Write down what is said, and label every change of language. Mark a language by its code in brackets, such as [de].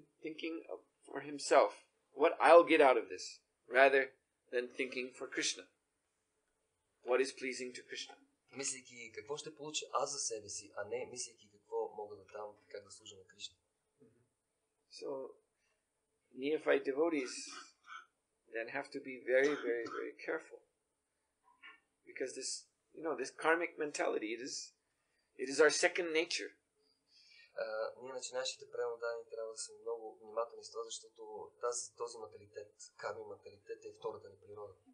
[en] Thinking for himself, what I'll get out of this, rather than thinking for Krishna. What is pleasing to Krishna. [bg] Мислейки какво ще получа аз за себе си, а не мислейки какво мога да дам, как да служа на Кришна. [en] So, neophyte devotees then have to be very, very, very careful. Because this, you know, this karmic mentality, it is our second nature. [bg] Ние начинащите преводани трябва да са много внимателни с това, защото този манталитет, карми манталитет е втората ни природа.